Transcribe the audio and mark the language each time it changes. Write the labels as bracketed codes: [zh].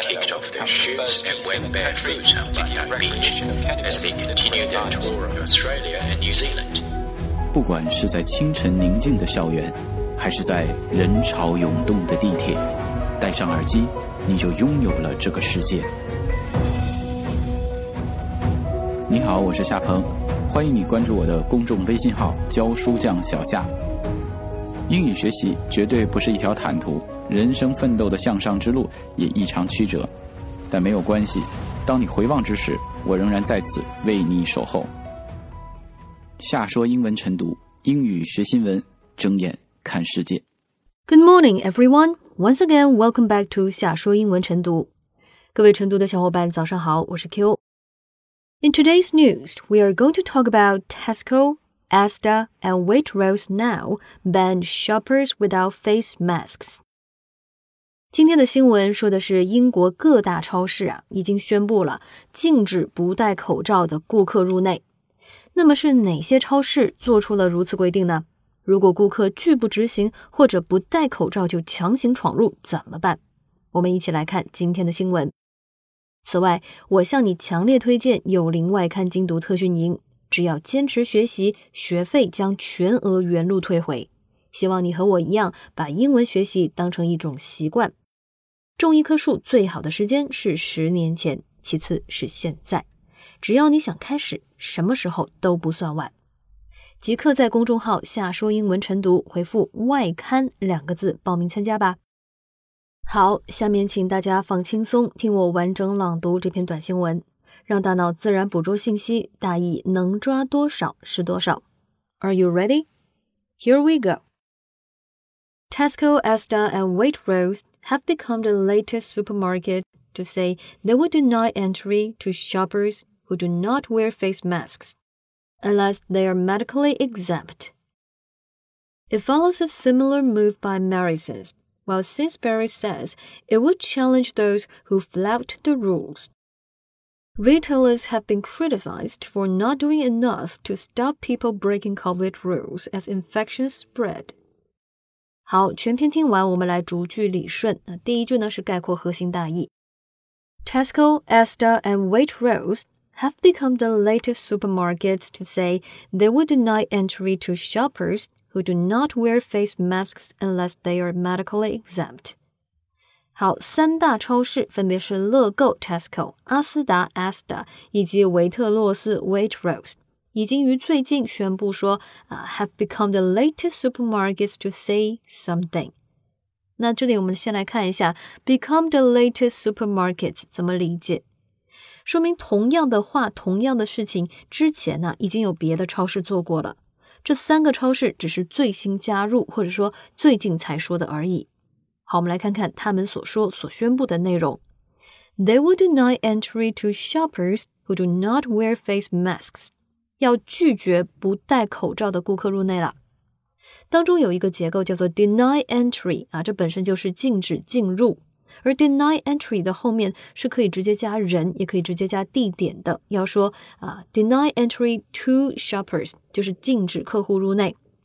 [en] kicked off their shoes and went barefoot on the beach as they continued their tour of Australia and New Zealand. [zh] 不管是在清晨宁静的校园，还是在人潮涌动的地铁，戴上耳机，你就拥有了这个世界。你好，我是夏鹏，欢迎你关注我的公众微信号“教书匠小夏”。英语学习绝对不是一条坦途，人生奋斗的向上之路也异常曲折，但没有关系，当你回望之时，我仍然在此为你守候。夏说英文晨读，英语学新闻，睁眼看世界。 [en] Good morning, everyone. Once again, welcome back to 夏说英文晨读。 [zh] 各位晨读的小伙伴，早上好，我是 Q。 [en] In today's news, we are going to talk about Tesco, Asda, and Waitrose now ban shoppers without face masks. [zh] 今天的新闻说的是英国各大超市啊，已经宣布了禁止不戴口罩的顾客入内。那么是哪些超市做出了如此规定呢？如果顾客拒不执行或者不戴口罩就强行闯入怎么办？我们一起来看今天的新闻。此外，我向你强烈推荐有灵外刊精读特训营，只要坚持学习，学费将全额原路退回。希望你和我一样，把英文学习当成一种习惯。种一棵树最好的时间是十年前，其次是现在。只要你想开始，什么时候都不算晚。即刻在公众号下说英文晨读回复外刊两个字报名参加吧。好，下面请大家放轻松，听我完整朗读这篇短新闻，让大脑自然捕捉信息，大意能抓多少是多少。 [en] Are you ready? Here we go. Tesco, Asda, and Waitrose have become the latest supermarket to say they would deny entry to shoppers who do not wear face masks, unless they are medically exempt. It follows a similar move by Morrisons,while Sainsbury says it would challenge those who flout the rules. Retailers have been criticized for not doing enough to stop people breaking COVID rules as infections spread. [zh] 好，全篇听完，我们来逐句理顺。第一句呢，是概括核心大意。 [en] Tesco, Asda, and Waitrose have become the latest supermarkets to say they would deny entry to shoppers,who do not wear face masks unless they are medically exempt. [zh] 好，三大超市分别是乐购 Tesco、阿斯达 Asda 以及维特洛斯 Waitrose 已经于最近宣布说、 [en] have become the latest supermarkets to say something. [zh] 那这里我们先来看一下 become the latest supermarkets 怎么理解，说明同样的话、同样的事情之前呢、已经有别的超市做过了，这三个超市只是最新加入或者说最近才说的而已。好，我们来看看他们所说所宣布的内容。 [en] They would deny entry to shoppers who do not wear face masks. [zh] 要拒绝不戴口罩的顾客入内了。当中有一个结构叫做 deny entry, 啊，这本身就是禁止进入。而 deny entry 的后面是可以直接加人，也可以直接加地点的，要说、deny entry to shoppers 就是禁止客户入内。